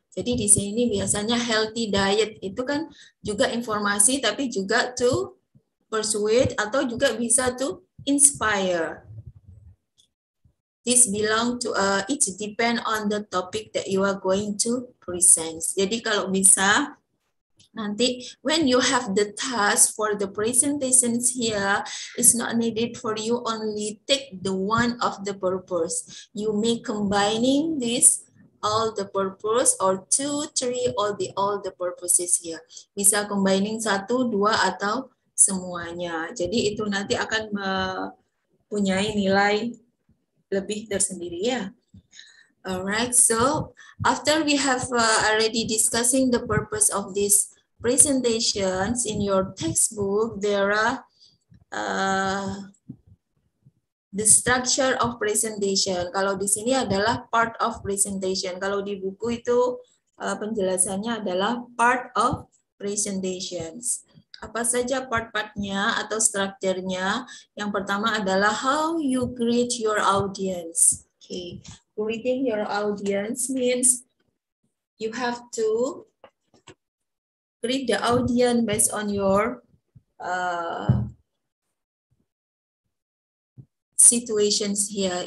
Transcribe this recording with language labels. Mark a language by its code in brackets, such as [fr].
[id] Jadi di sini biasanya healthy diet itu kan juga informasi, tapi juga to persuade atau juga bisa to inspire. [en] This belong to it depend on the topic that you are going to present. [id] Jadi kalau bisa nanti, [en] when you have the task for the presentations here, it's not needed for you only take the one of the purpose. You may combining this all the purpose or 2, 3 all the purposes here. [id] Bisa combining 1, 2 atau semuanya. Jadi itu nanti akan mempunyai nilai lebih tersendiri, ya. [en] Alright, so after we have already discussing the purpose of this presentations in your textbook, there are the structure of presentation. [id] Kalau di sini adalah part of presentation. Kalau di buku itu penjelasannya adalah part of presentations. Apa saja part-partnya atau strukturnya? Yang pertama adalah [en] how you greet your audience. Okay, greeting your audience means you have to greet the audience based on your situations here.